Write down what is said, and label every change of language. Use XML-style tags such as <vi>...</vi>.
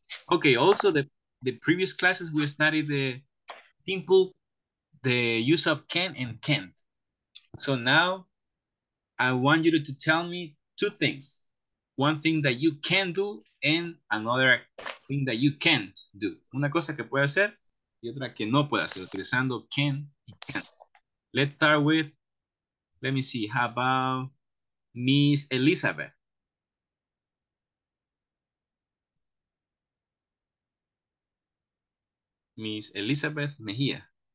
<en>Okay, also the previous classes, we studied the simple, the use of can and can't. So now I want you to tell me two things. One thing that you can do and another thing that you can't do.</en> <es>Una cosa que puede hacer y otra que no puede hacer, utilizando can y can't.</es> <en>Let's start with, let me see, how about Miss Elizabeth? Miss Elizabeth Mejia.</en>